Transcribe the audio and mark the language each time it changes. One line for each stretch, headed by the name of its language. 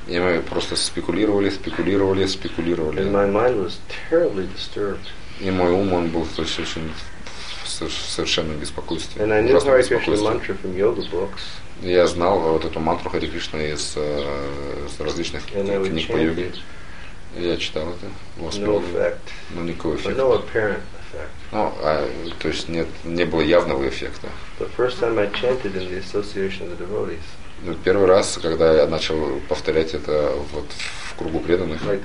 Russian: И мы просто спекулировали.
English: And my mind was terribly disturbed.
Russian: И мой ум, он был совершенно беспокойствием.
English: And I knew Hare Krishna mantra from yoga books.
Russian: Я знал вот эту мантру Хари Кришна из различных книг по йоге. Я читал это. Но никакого эффекта.
English: No,
Russian: то есть не было явного эффекта. Но первый раз, когда я начал повторять это вот в кругу преданных.